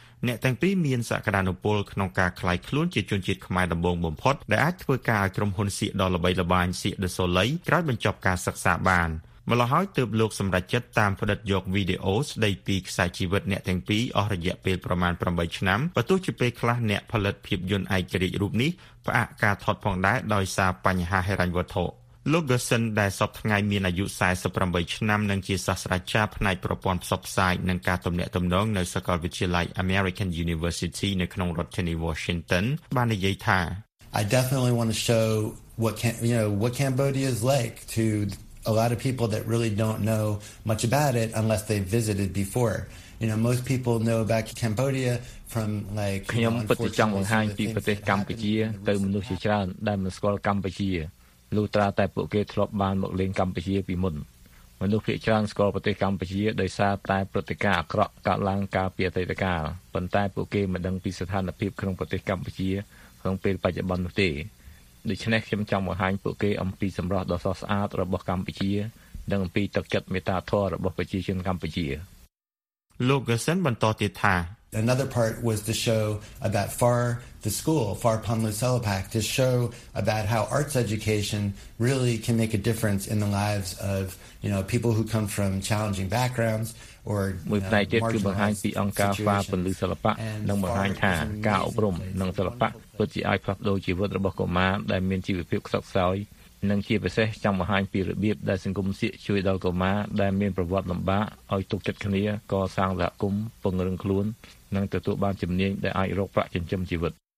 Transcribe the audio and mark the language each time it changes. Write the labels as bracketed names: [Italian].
[Khmer] អ្នកទាំងពីរមានសក្តានុពលក្នុងការក្លាយខ្លួនជាជនជាតិខ្មែរដំបូងបំផុតដែលអាចធ្វើការឲ្យក្រុមហ៊ុនសៀកដល់ល្បីល្បាញសៀកដសូលីក្រោយបញ្ចប់ការសិក្សាបានម្ល៉េះហើយទើបលោកសម្រេចចិត្តតាមផលិតយកវីដេអូស្តីពីខ្សែជីវិតអ្នកទាំងពីរអស់រយៈពេលប្រមាណ8ឆ្នាំបើទោះជាពេលខ្លះអ្នកផលិតភាពយន្តឯករាជ្យរូបនេះផ្អាកការថតផងដែរដោយសារបញ្ហាហិរញ្ញវត្ថុ លោកកសិនដែលសពថ្ងៃមានអាយុ48ឆ្នាំនិងជាសាស្ត្រាចារ្យផ្នែកប្រព័ន្ធផ្សព្វផ្សាយនិងការទំនាក់ទំនងនៅសាកលវិទ្យាល័យ American University នៅក្នុងរដ្ឋធានី Washington បាននិយាយថា [English] I definitely want to show what Cambodia is like to a lot of people that really don't know much about it unless they visited before. You know most people know about Cambodia from like [Khmer] ខ្ញុំពិតជាចង់បង្ហាញពីប្រទេសកម្ពុជាទៅមនុស្សជាច្រើនដែលមិនស្គាល់កម្ពុជាលុះត្រាតែពួកគេធ្លាប់បានមកលេងកម្ពុជាពីមុនមនុស្សភាគច្រើនស្គាល់ប្រទេសកម្ពុជាដោយសារតែព្រឹត្តិការណ៍អាក្រក់កើតឡើងកាលពីអតីតកាលប៉ុន្តែពួកគេមិនដឹងពីស្ថានភាពក្នុងប្រទេសកម្ពុជាក្នុងពេលបច្ចុប្បន្ននោះទេដូច្នេះខ្ញុំចង់បង្ហាញពួកគេអំពីសម្រស់ដ៏ស្រស់ស្អាតរបស់កម្ពុជានិងអំពីទឹកចិត្តមេត្តាធម៌របស់ប្រជាជនកម្ពុជា លោកកសិនបន្តទៀតថា [English] Another part was to show about Far the school Far Ponlu Selapak to show about how arts education really can make a difference in the lives of you know people who come from challenging backgrounds or [Khmer] មួយផ្នែកទៀតគឺបង្ហាញពីអង្គការ Far Ponlu Selapak និងបង្ហាញថាការអប់រំនិងសិល្បៈពិតជាអាចផ្លាស់ប្ដូរជីវិតរបស់កុមារដែលមានជីវភាពខ្សត់ខ្សោយនិងជាពិសេសចង់បង្ហាញពីរបៀបដែលសង្គមសៀកជួយដល់កុមារដែលមានប្រវត្តិលំបាកឲ្យទុកចិត្តគ្នាកសាងសហគមន៍ពង្រឹងខ្លួននិងទទួលបានជំនាញដែលអាចរកប្រាក់ចិញ្ចឹមជីវិត